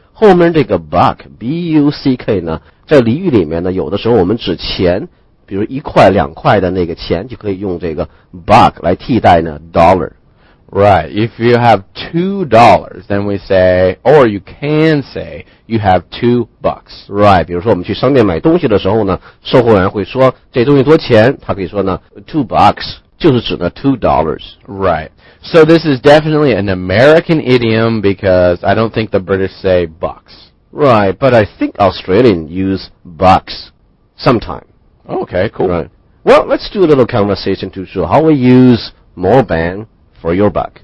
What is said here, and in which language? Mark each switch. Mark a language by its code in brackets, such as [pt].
[zh] 后面这个 buck B-U-C-K 呢，在俚语里面呢，有的时候我们指钱，比如一块两块的那个钱，就可以用这个 buck 来替代呢 dollar [en] right. If you have $2, then we say, or you can say, you have $2. [zh] Right. 比如说我们去商店买东西的时候呢，售货员会说这东西多钱，他可以说呢 $2, 就是指呢$2. [en] Right. So this is definitely an American idiom because I don't think the British say bucks. Right. But I think Australians use bucks sometime. Okay, cool. Right. Well, let's do a little conversation to show how we use more bang. For your buck.